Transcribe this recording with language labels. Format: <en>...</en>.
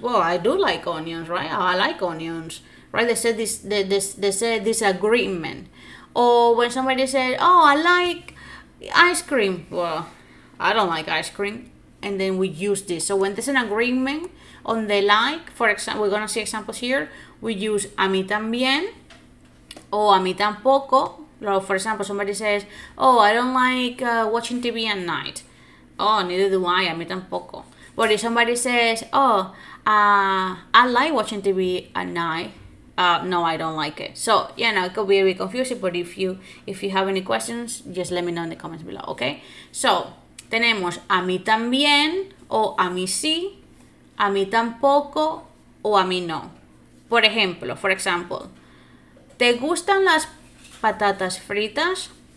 <en>Well, I do like onions, right? I like onions, right? They said this, they say disagreement. Or when somebody said, oh, I like ice cream. Well, I don't like ice cream. And then we use this. So when there's an agreement On the like, for example, we're gonna see examples here. We use</en> <es>a mí también o a mí tampoco.</es> <en>For example, somebody says, oh, I don't like watching TV at night. Oh, neither do I,</en> <es>a mí tampoco.</es> <en>But if somebody says, oh, I like watching TV at night. No, I don't like it. So, you know, it could be a bit confusing, but if you have any questions, just let me know in the comments below, okay?</en> <es>So, tenemos a mí también, o a mí sí, a mí tampoco, o a mí no. Por ejemplo,</es> <en>for example,</en> <es>¿te gustan las patatas fritas?</es>